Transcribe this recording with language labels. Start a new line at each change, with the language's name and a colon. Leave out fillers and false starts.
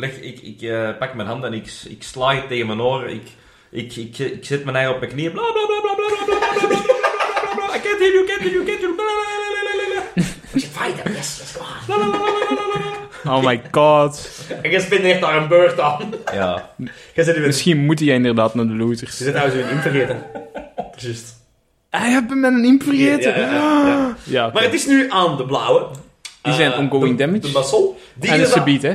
Dutch: Ik pak mijn hand en ik sla het tegen mijn oren. Ik zet mijn eigen op mijn knieën. Bla bla bla bla bla bla bla bla bla bla bla bla.
English: I can't hear you, can't hear you, can't hear you. Bla bla bla bla bla. We should fight them, yes, let's go. Oh my god.
Dutch: En je spendeert daar een beurt aan. Ja. Misschien moet jij inderdaad naar de looters. Je zit nou zo in vergeten. Precies. Hij heeft hem met een imp vergeten. Maar het is nu aan de blauwe. Die zijn ongoing damage. De basol. Die en de subiet, hè.